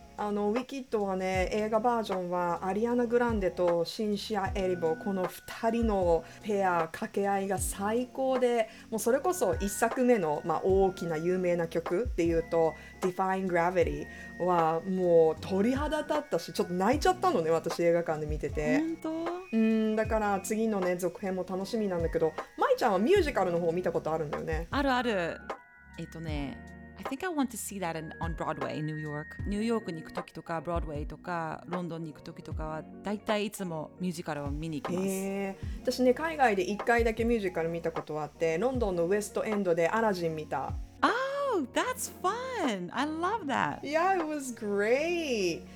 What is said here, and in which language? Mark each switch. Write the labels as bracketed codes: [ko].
[ja] あのウィキッドはね、映画バージョンはアリアナ・グランデとシンシア・エリボ、この2人のペア掛け合いが最高で、もうそれこそ1作目の、まあ、大きな有名な曲っていうと Defying Gravity はもう鳥肌立ったし、ちょっと泣いちゃったのね、私映画館で見てて。本当？だから次のね続編も楽しみなんだけど、舞ちゃんはミュージカルの方見たことあるんだよね。あるある。 [en] ね、I think I want to see that on Broadway in New York. [ja] ニューヨークに行くときとか、ブロードウェイとか、ロンドンに行くときとかは、だいたいいつもミュージカルを見に行きます。私ね、海外で1回だけミュージカル見たことあって、ロンドンのウエストエンドでアラジン見た。 [en] Oh, that's fun! I love that! Yeah, it was great!